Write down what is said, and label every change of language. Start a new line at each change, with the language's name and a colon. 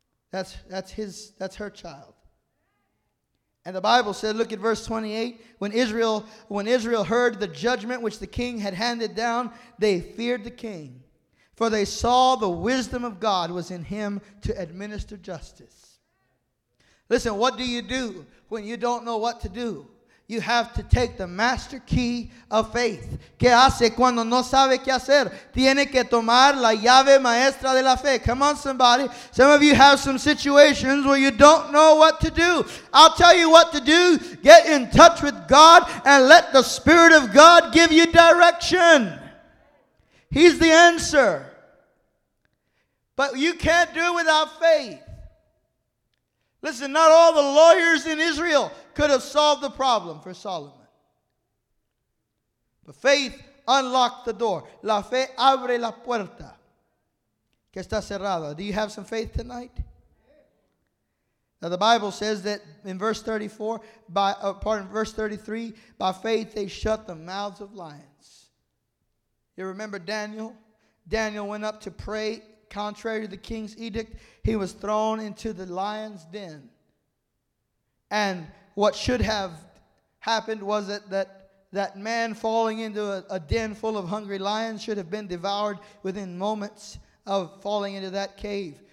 English: That's her child. And the Bible said, look at verse 28, when Israel heard the judgment which the king had handed down, they feared the king, for they saw the wisdom of God was in him to administer justice. Listen, what do you do when you don't know what to do? You have to take the master key of faith.
Spanish: ¿Qué hace cuando no sabe qué hacer? Tiene que tomar la llave maestra de la fe.
English: Come on, somebody. Some of you have some situations where you don't know what to do. I'll tell you what to do. Get in touch with God and let the Spirit of God give you direction. He's the answer. But you can't do it without faith. Listen, not all the lawyers in Israel could have solved the problem for Solomon. But faith unlocked the door.
Spanish: La fe abre la puerta que está cerrada.
English: Do you have some faith tonight? Now the Bible says that in verse 33, by faith they shut the mouths of lions. You remember Daniel? Daniel went up to pray contrary to the king's edict. He was thrown into the lion's den. And what should have happened was that man falling into a den full of hungry lions should have been devoured within moments of falling into that cave.